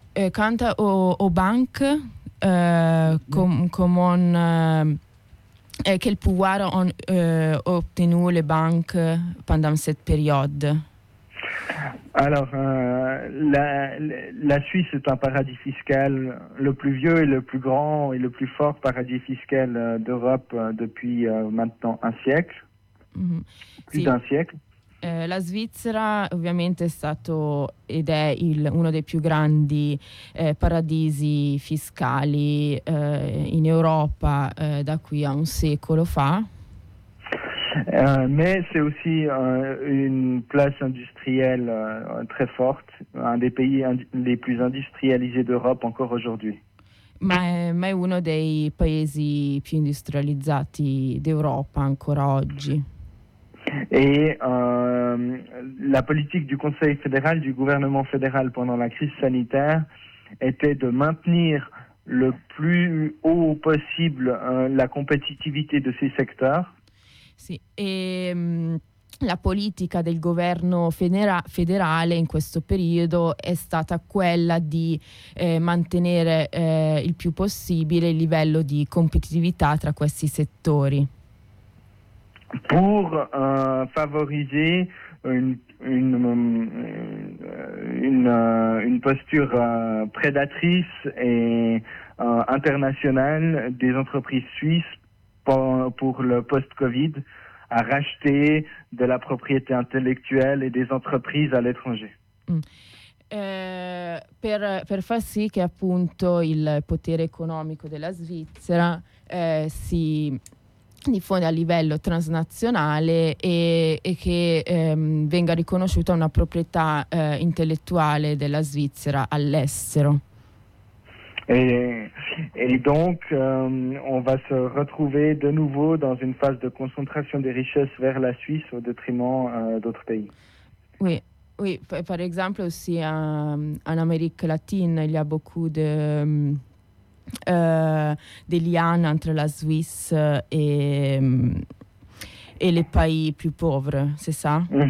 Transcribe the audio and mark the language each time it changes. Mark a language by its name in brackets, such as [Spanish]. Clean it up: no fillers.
[French] Canta o bank comment quel pouvoir ont obtenu les banques pendant cette période? Alors, la Suisse est un paradis fiscal le plus vieux et le plus grand et le plus fort paradis fiscal d'Europe depuis maintenant un siècle. Mm-hmm. Plus sì. D'un siècle. [Italian] La Svizzera ovviamente è stato ed è uno dei più grandi paradisi fiscali in Europa da qui a un secolo fa. [French] Mais c'est aussi une place industrielle très forte, un des pays les plus industrialisés d'Europe encore aujourd'hui. [Italian] Ma è uno dei paesi più industrializzati d'Europa ancora oggi. [French] Et la politique du Conseil fédéral, du gouvernement fédéral pendant la crise sanitaire était de maintenir le plus haut possible la compétitivité de ces secteurs. [Italian] Sì, e la politica del governo federale in questo periodo è stata quella di mantenere il più possibile il livello di competitività tra questi settori. [French] Pour favoriser une posture prédatrice et internationale des entreprises suisses pour le post-Covid, à racheter de la propriété intellectuelle et des entreprises à l'étranger. [Italian] Per far sì che appunto il potere economico della Svizzera si diffonde a livello transnazionale e che venga riconosciuta una proprietà intellettuale della Svizzera all'estero. E quindi [French] on va se retrouver de nouveau dans une phase de concentration des richesses vers la Suisse au détriment d'autres pays. Oui. Oui, par exemple aussi en Amérique latine, il y a beaucoup de des liens entre la Suisse et les pays plus pauvres, c'est ça?